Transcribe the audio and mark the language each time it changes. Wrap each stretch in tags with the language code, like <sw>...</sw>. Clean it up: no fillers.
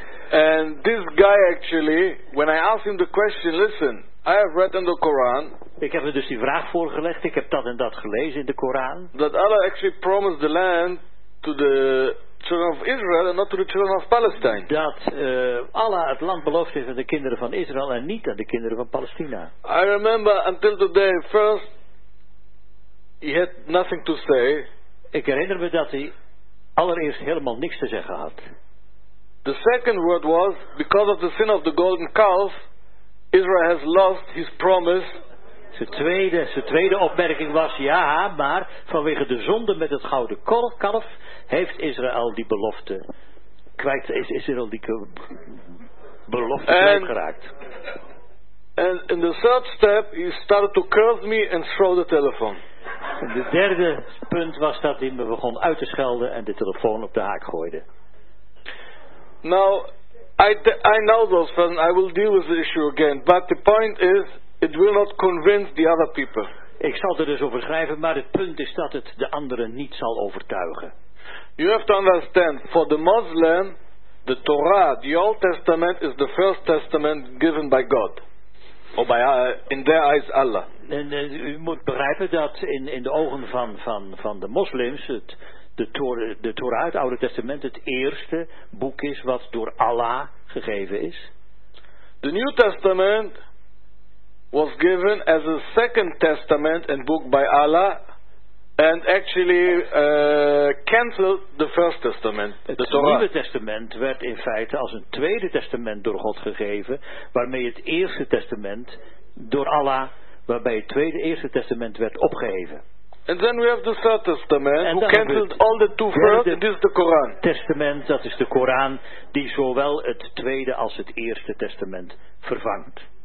<en>And this guy actually, when I asked him the question, listen, I have read in the Koran.</en> <nl>Ik heb hem dus die vraag voorgelegd. Ik heb dat en dat gelezen in de Koran.</nl> <en>That Allah actually promised the land to the children of Israel and not to the children of Palestine.</en> <nl>Dat Allah het land beloofd heeft aan de kinderen van Israël en niet aan de kinderen van Palestina.</nl> <en>I remember until today, first he had nothing to say.</en> <nl>Ik herinner me dat hij allereerst helemaal niks te zeggen had.</nl> <en>The second word was because of the sin of the golden calf, Israel has lost his promise.</en> <nl>Zijn tweede opmerking was, ja, maar vanwege de zonde met het gouden kalf heeft Israël die belofte kwijt, is Israël die belofte kwijtgeraakt.</nl> <en>And in the third step, he started to curse me and throw the telephone.</en> <nl>En de derde punt was dat hij me begon uit te schelden en de telefoon op de haak gooide.</nl> <en>Now, I know those friends, I will deal with the issue again, but the point is, it will not convince the other people.</en> <nl>Ik zal er dus over schrijven, maar het punt is dat het de anderen niet zal overtuigen.</nl> <en>You have to understand, for the Muslim, the Torah, the Old Testament, is the first testament given by God. Or by, in their eyes, Allah.</en> <nl>En u moet begrijpen dat in de ogen van de moslims, de Torah, het Oude Testament, het eerste boek is wat door Allah gegeven is.</nl> <en>The New Testament was given as a second testament and book by Allah and actually canceled the first testament.</en> <nl>Het Nieuwe Testament werd in feite als een tweede testament door God gegeven, waarmee het eerste testament door Allah, waarbij het tweede eerste testament werd opgeheven.</nl> <en>And then we have the third testament who canceled all the two first, and this is the Koran.</en> <nl>Testament, dat is de Koran die zowel het tweede als het eerste testament vervangt.</nl>